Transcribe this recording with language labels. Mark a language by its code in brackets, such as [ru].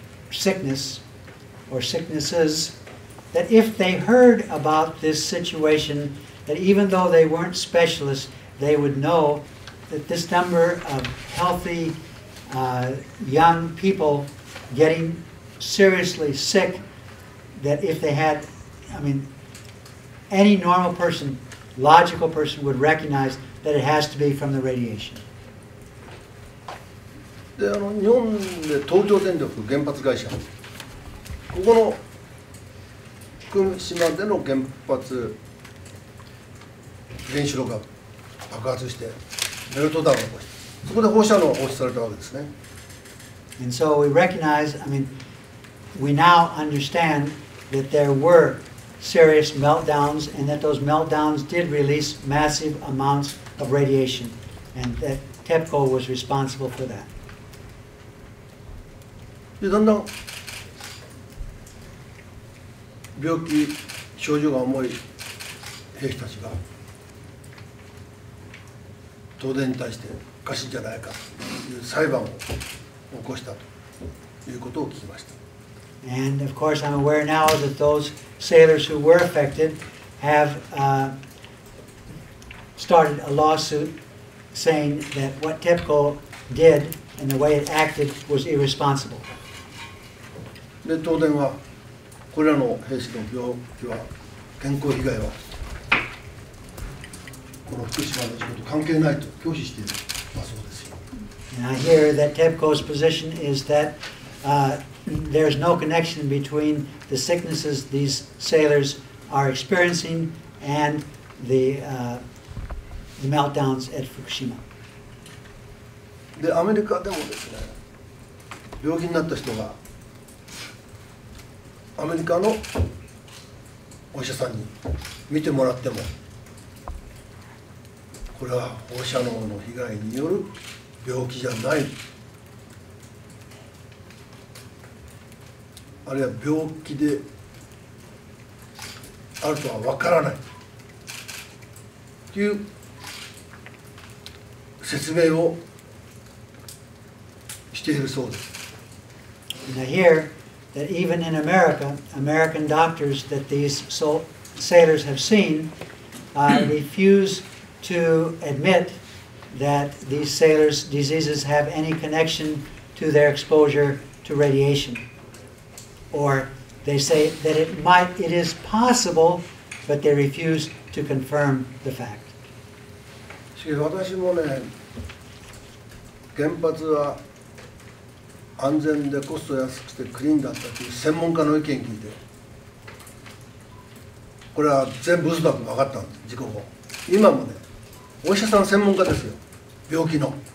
[en] sickness or sicknesses,that if they heard about this situation, that even though they weren't specialists, they would know that this number of healthy young people getting seriously sick, that if they had, I mean, any normal person, logical person would recognize that it has to be from the radiation. [ja] で、あの、日本で東京電力原発会社、ここの福島での原発原子炉が爆発してメルトダウンを起こして、そこで放射能が放出されたわけですね。 [en] And so we recognize, I mean, we now understand that there were serious meltdowns and that those meltdowns did release massive amounts of radiation and that TEPCO was responsible for that. [ja] で、どんどん病気、症状が重い兵士たちが東電に対しておかしいんじゃないかという裁判を起こしたということを聞きました。 [en] And of course, I'm aware now that those sailors who were affected have started a lawsuit saying that what TEPCO did and the way it acted was irresponsible. [ja] で、東電はこれらの兵士の病気は健康被害はこの福島の事故と関係ないと拒否しているまあそうですよ。 [en] And I hear that TEPCO's position is that there's no connection between the sicknesses these sailors are experiencing and the meltdowns at Fukushima. [ja] で、アメリカでもですね、病気になった人がアメリカのお医者さんに見てもらってもこれは放射能の被害による病気じゃない。あるいは病気であるとはわからない。という説明をしているそうです。 [en] And I hear that even in America, American doctors that these sailors have seen refuse to admit that these sailors' diseases have any connection to their exposure to radiation. Or they say that it is possible, but they refuse to confirm the fact. [ja] 私もね、原発は安全でコスト安くてクリーンだったという専門家の意見聞いて、これは全部嘘だと分かったんです、事故後。今もね、お医者さん専門家ですよ、病気の。